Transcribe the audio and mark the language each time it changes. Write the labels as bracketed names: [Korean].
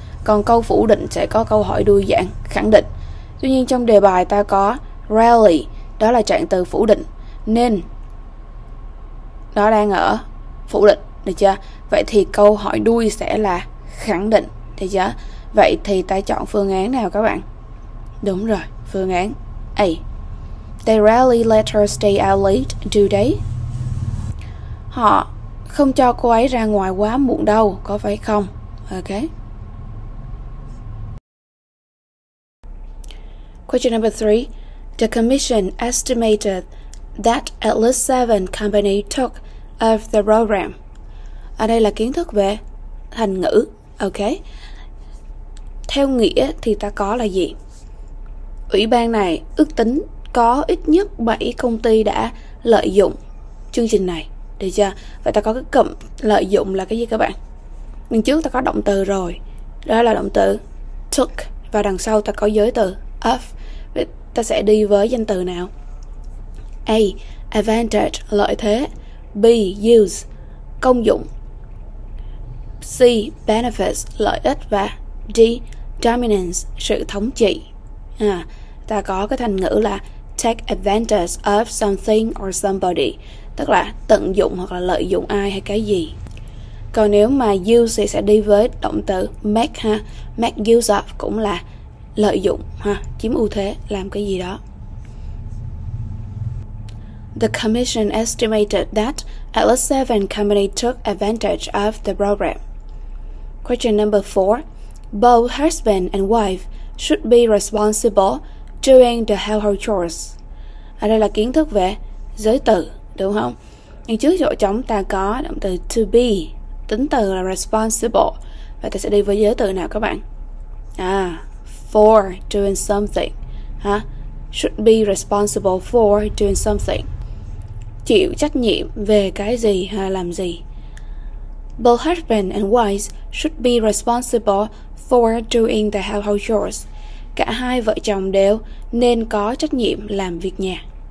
[Vietnamese] Còn câu phủ định sẽ có câu hỏi đuôi dạng khẳng định. Tuy nhiên trong đề bài ta có rarely, đó là trạng từ phủ định, nên nó đang ở phủ định, được chưa? Vậy thì câu hỏi đuôi sẽ là khẳng định, được chưa? Vậy thì ta chọn phương án nào các bạn? Đúng rồi, phương án A. [English] They rarely let her stay out late, do they? [Vietnamese] Họ không cho cô ấy ra ngoài quá muộn đâu, có phải không? [English] Ok. Question number 3. The commission estimated that at least 7 companies took of the program. [Vietnamese] Ở đây là kiến thức về thành ngữ. Ok. Theo nghĩa thì ta có là gì? Ủy ban này ước tính có ít nhất 7 công ty đã lợi dụng chương trình này. Được chưa? Vậy ta có cái cụm lợi dụng là cái gì các bạn? Đằng trước ta có động từ rồi. Đó là động từ took. Và đằng sau ta có giới từ of. Ta sẽ đi với danh từ nào? A. Advantage, lợi thế. B. Use, công dụng. C. Benefits, lợi ích. Và D. Dominance, sự thống trị. À, ta có cái thành ngữ là [English] take advantage of something or somebody, [Vietnamese] tức là tận dụng hoặc là lợi dụng ai hay cái gì. Còn nếu mà use thì sẽ đi với động từ make ha. Make use of cũng là lợi dụng ha, chiếm ưu thế, làm cái gì đó. [English] The commission estimated that at least 7 companies took advantage of the program. Question number 4. Both husband and wife should be responsible doing the household chores. [Vietnamese] Ở đây là kiến thức về giới từ, đúng không? Nhưng trước chỗ trống ta có động từ to be, tính từ là responsible. Và ta sẽ đi với giới từ nào các bạn? [English] À, for doing something, huh? Should be responsible for doing something, [Vietnamese] chịu trách nhiệm về cái gì hay làm gì. [English] Both husband and wife should be responsible for doing the household chores. [Vietnamese] Cả hai vợ chồng đều nên có trách nhiệm làm việc nhà.